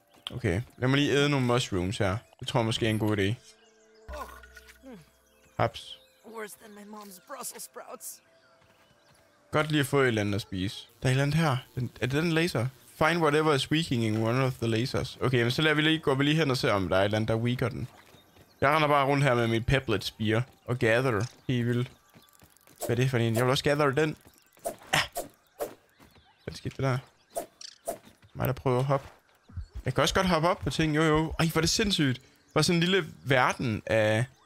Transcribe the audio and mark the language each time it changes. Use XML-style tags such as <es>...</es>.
<da>Okay, lad mig lige æde nogle mushrooms her. Det tror jeg måske er en god idé. Haps.</da> <en>Worse than my mom's Brussels sprouts.</en> <da>Godt lige at få et eller andet at spise. Der er et eller andet her. Er det den laser?</da> <en>Find whatever is weakening in one of the lasers.</en> <da>Okay, men så lader vi lige, går vi lige hen og ser, om der er et eller andet, der weaker den. Jeg render bare rundt her med mit pebblet spear. Og gather. Evil. Hvad er det for en? Jeg vil også gather den. Ah. Hvad skete det der? Mig der prøver at hoppe. Jeg kan også godt hoppe op på ting. Jo. Ej, hvor er det sindssygt. Hvor er sådan en lille verden af...</da>